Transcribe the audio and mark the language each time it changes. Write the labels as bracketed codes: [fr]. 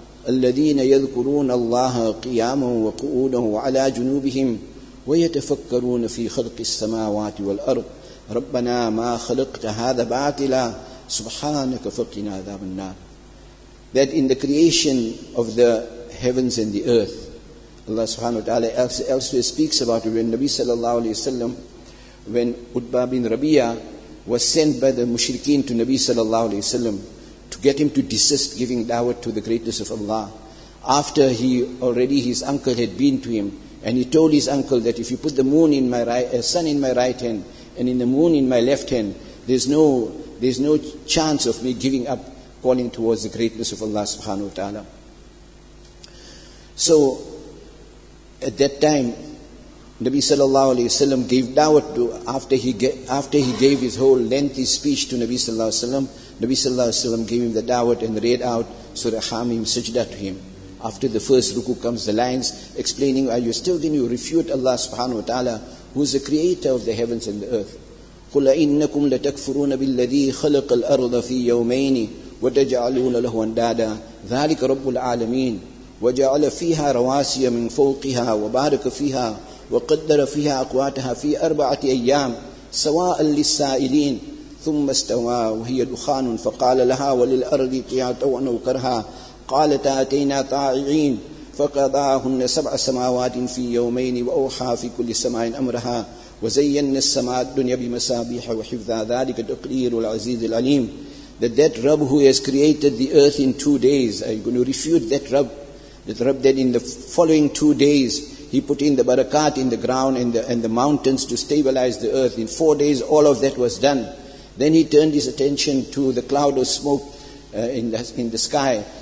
[ar] الذين يذكرون الله قياما وقعودا وعلى جنوبهم ويتفكرون في خلق السماوات والأرض ربنا ما خلقت هذا باطلا سبحانك فقنا عذاب النار. [en] That in the creation of the heavens and the earth, Allah subhanahu wa ta'ala elsewhere speaks about it, when Nabi sallallahu alayhi wa sallam, when Utba bin Rabia was sent by the mushrikeen to Nabi sallallahu alayhi wa sallam to get him to desist giving dawah to the greatness of Allah. After his uncle had been to him, and he told his uncle that if you put the moon in my right, a sun in my right hand, and in the moon in my left hand, there's no chance of me giving up calling towards the greatness of Allah subhanahu wa ta'ala. So, at that time, Nabi sallallahu alayhi wa sallam gave dawah to, after he gave his whole lengthy speech to Nabi sallallahu alayhi wa sallam, Nabi sallallahu alayhi wa sallam gave him the dawah and read out Surah Hamim Sajda to him. After the first ruku comes the lines explaining, are you still going to refute Allah subhanahu wa ta'ala who is the creator of the heavens and the earth? [ar] قُلَ إِنَّكُمْ لَتَكْفُرُونَ بِالَّذِي خَلَقَ الْأَرْضَ فِي يَوْمَيْنِ وَتَجَعَلُونَ لَهُ أَنْدَادًا ذَلِكَ رَبُّ الْعَالَمِينَ وَجَعَلَ فِيهَا رَوَاسِيَ مِنْ فَوْقِهَا وَبَارَكَ فِيهَا وَقَدَّرَ فِيهَا أَقْوَاتَهَا فِي أَرْبَعَةِ أَيَّامٍ سَوَاءً لِلسَّائِلِينَ ثم استوى وهي دخان فقال لها وللأرض قيا طوعا وكرها قالت أتينا طائعين فقضاهن سبع سماوات في يومين وأوحى في كل سماء أمرها وزينا السماء الدنيا بمصابيح وحفظا ذلك تقدير العزيز العليم. [en] That Rabb who has created the earth in 2 days, are you going to refute that Rabb? That Rabb that in the following 2 days He put in the barakat in the ground and the mountains to stabilize the earth. In 4 days, all of that was done. Then he turned his attention to the cloud of smoke in the sky.